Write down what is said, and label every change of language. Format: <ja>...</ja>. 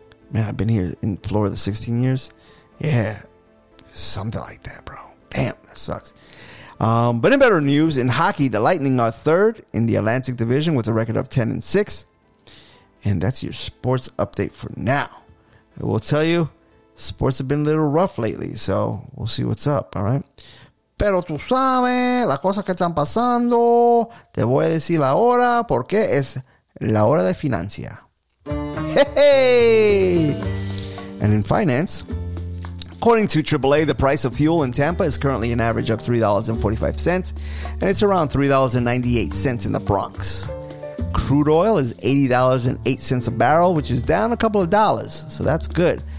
<en>Man, I've been here in Florida 16 years. Yeah, something like that, bro. Damn, that sucks. But in better news, in hockey, the Lightning are third in the Atlantic Division with a record of 10-6. And that's your sports update for now. I will tell you, sports have been a little rough lately, so we'll see what's up, all right?</en> <es>Pero tú sabes las cosas que están pasando. Te voy a decir la hora porque es la hora de financia. Hey!</es> <en>And in finance, according to AAA, the price of fuel in Tampa is currently an average of $3.45, and it's around $3.98 in the Bronx. Crude oil is $80.08 a barrel, which is down a couple of dollars. So that's good.</en>